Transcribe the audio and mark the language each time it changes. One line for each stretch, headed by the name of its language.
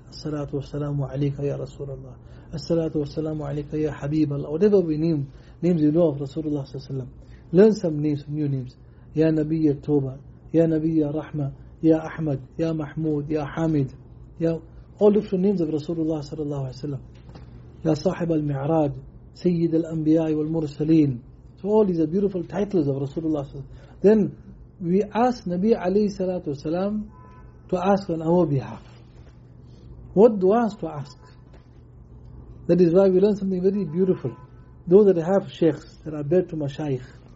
Arabic: الصلاة والسلام عليك يا رسول الله. الصلاة والسلام عليك يا حبيب الله.
English: Whatever we name, names you know of Rasulullah صلى الله عليه وسلم. Learn some names, new names.
Arabic: يا نبي التوبة. يا نبي الرحمة. يا أحمد. يا محمود. يا حامد.
English: يا all different names of Rasulullah صلى الله عليه وسلم.
Arabic: يا صاحب المعراج. سيد الأنبياء والمرسلين.
English: So all these are beautiful titles of Rasulullah صلى الله عليه وسلم. Then we ask Nabi alayhi salatu wasalam to ask on our behalf. What du'as to ask? That is why we learn something very beautiful. Those that have sheikhs, that are bear to mashayikh.